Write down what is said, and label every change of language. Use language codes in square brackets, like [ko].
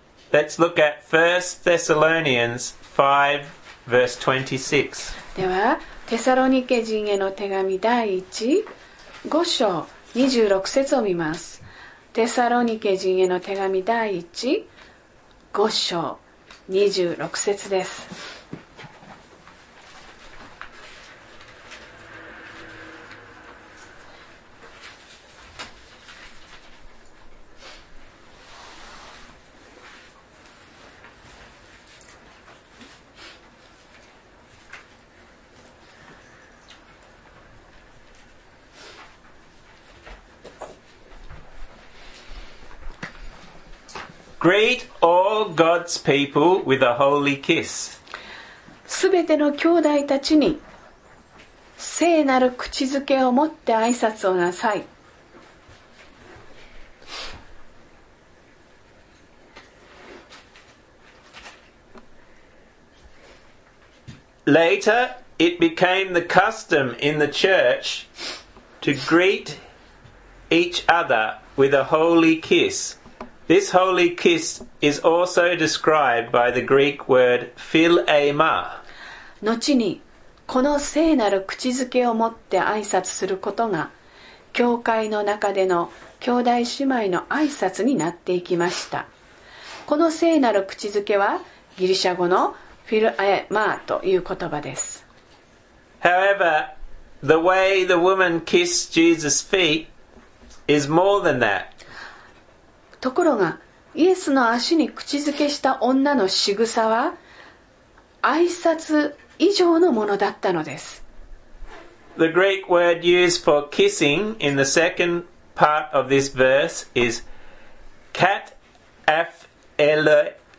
[en] Let's look at 1 Thessalonians 5, verse 26. [ja] では、テサロニケ人への手紙第1、5章26節を見ます。テサロニケ人への手紙第1、5章26節です。 [en] Greet all God's people with a holy kiss. [ja] すべての兄弟たちに聖なる口づけを持って挨拶をなさい。 [en] Later, it became the custom in the church to greet each other with a holy kiss. This holy kiss is also described by the Greek word philema. [ja] 後にこの聖なる口づけを持って挨拶することが教会の中での兄弟姉妹の挨拶になっていきました。この聖なる口づけはギリシャ語のフィルエマーという言葉です。 [en] However, the way the woman kissed Jesus' feet is more than that. [ja] ところが、イエスの足に口づけした女の仕草は、挨拶以上のものだったのです。 [en] The Greek word used for kissing in the second part of this verse is kataphileo.